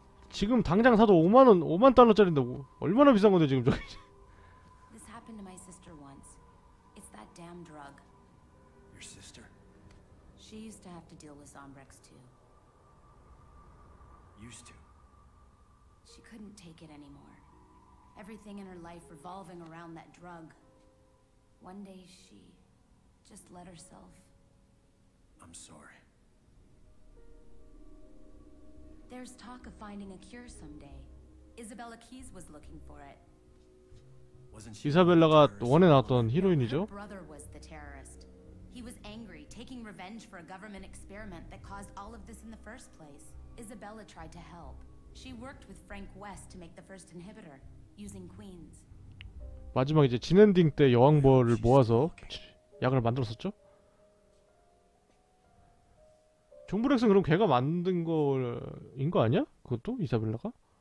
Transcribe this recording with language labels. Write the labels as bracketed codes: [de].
[ko] 지금 당장 사도 5만원, 5만 달러짜린데 얼마나 비싼 건데 지금 저게. [en] This happened to my sister once. It's that damn drug. Your sister? She used to have to deal with Zombrex too. Used to. She couldn't take it anymore. Everything in her life revolving around that drug. One day she just let herself. I'm sorry. There's talk of finding a cure someday. Isabella Keys was looking for it. [ko] 이사벨라가 원에 나왔던 히로인이죠. [en] Her brother was the terrorist. He was angry, taking revenge for a government experiment that caused all of this in the first place. Isabella tried to help. She worked with Frank West to make the first inhibitor using queens. [ko] 마지막 이제 진엔딩 때 여왕벌을 모아서 약을 만들었었죠. 종불핵선 그럼 걔가 만든 거인 거 아니야? 그것도 이사벨라가?